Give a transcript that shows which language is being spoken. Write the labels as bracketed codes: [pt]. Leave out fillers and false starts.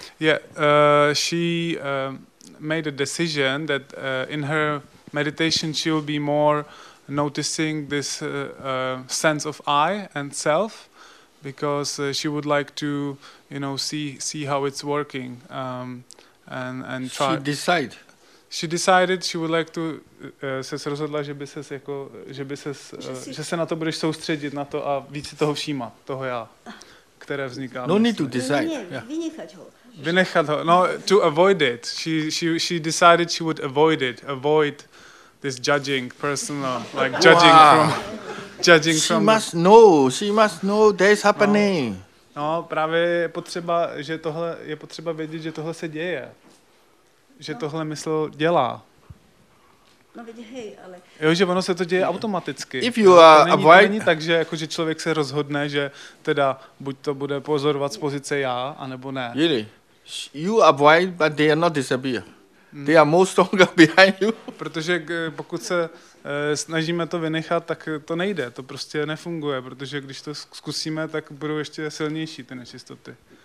[en] Yeah, she made a decision that in her meditation she will be more noticing this sense of I and self, because she would like to, you know, see how it's working and try. She decided she would like to [cs] ses rozhodla, že by ses jako že by ses že se na to budeš soustředit na to a více toho všímat, toho já, které vzniká. [en] No need to decide. [cs] Vynechat ho. [en] No to avoid it. She decided she would avoid it. Avoid this judging personal, like judging wow. From judging. She must know. She must know that is happening. [cs] No, právě je potřeba, že tohle je potřeba vědět, že tohle se děje. Že tohle mysl dělá. No vidí, hej, ale jo, že ono se to děje automaticky. [en] If you are [cs] to není tak, že jako že člověk se rozhodne, že teda buď to bude pozorovat z pozice já, anebo ne. [en] Really? You are white, but they are not disappear. They are most stronger behind you. [cs] Protože pokud se snažíme to vynechat, tak to nejde, to prostě nefunguje, protože když to zkusíme, tak budou ještě silnější ty nečistoty.